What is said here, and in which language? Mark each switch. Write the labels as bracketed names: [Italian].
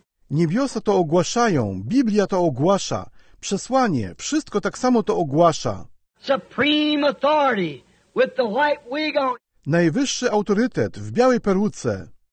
[Polish] Niebiosa to ogłaszają, Biblia to ogłasza, przesłanie, wszystko tak samo to ogłasza. [English] Supreme authority with the white wig on. [Polish] Najwyższy autorytet w białej peruce.